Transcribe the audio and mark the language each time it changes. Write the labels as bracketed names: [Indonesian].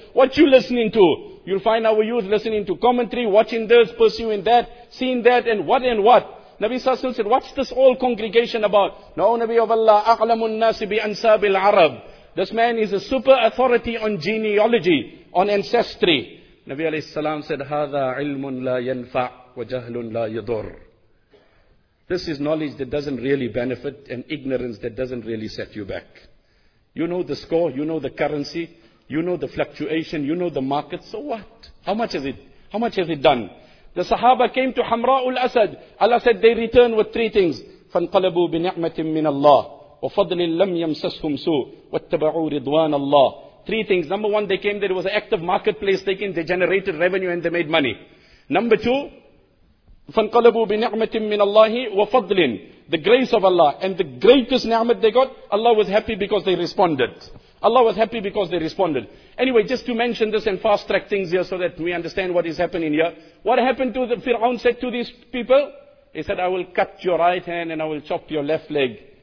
[English] What you listening to? You'll find our youth listening to commentary, watching this, pursuing that, seeing that, and what. Nabi Sallallahu Alaihi Wasallam said, what's this all congregation about? No, Nabi of Allah, [Arabic] أَعْلَمُ النَّاسِ بِأَنْسَابِ الْعَرَبِ. [English] This man is a super authority on genealogy, on ancestry. Nabi Alayhi Salaam said, [Arabic] هَذَا عِلْمٌ لَا يَنْفَعُ وَجَهْلٌ لَا يَضُرُ. [English] This is knowledge that doesn't really benefit, and ignorance that doesn't really set you back. You know the score, you know the currency, you know the fluctuation, you know the market, so what? How much has it done? The Sahaba came to Hamra al-Asad. Allah said they returned with three things. [Arabic] فَانْقَلَبُوا بِنِعْمَةٍ مِّنَ اللَّهِ وَفَضْلٍ لَمْ يَمْسَسْهُمْ سُوءٌ وَاتَّبَعُوا رِضْوَانَ اللَّهِ. [English] Three things. Number one, they came there. It was an active marketplace taking. They generated revenue and they made money. Number two, [Arabic] فَانْقَلَبُوا بِنِعْمَةٍ مِّنَ اللَّهِ وَفَضْلٍ. [English] The grace of Allah. And the greatest ni'mat they got, Allah was happy because they responded. Allah was happy because they responded. Anyway, just to mention this and fast track things here so that we understand what is happening here. What happened to the Fir'aun said to these people? He said, I will cut your right hand and I will chop your left leg.